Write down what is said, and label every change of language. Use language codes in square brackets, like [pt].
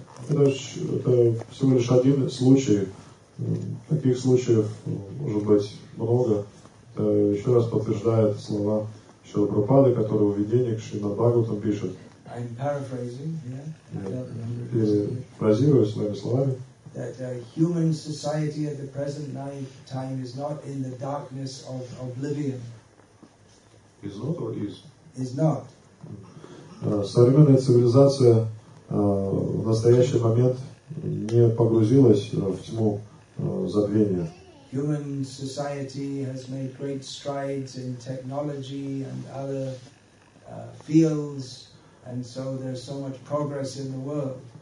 [ru] Это всего лишь один случай. Таких случаев может быть много. Это еще раз подтверждает слова Шрилы Прабхупады, которые в видении к Шримад Бхагаватам пишет. [en] I'm paraphrasing, yeah. [ru] Перефразирую своими словами. [en] That human society at the present time is not in the darkness of oblivion. Is not or is? Is not. [ru] Современная цивилизация в настоящий момент не погрузилась в тьму забвения. [en] Human society has made great strides in technology and other fields, and so there's so much progress in the world.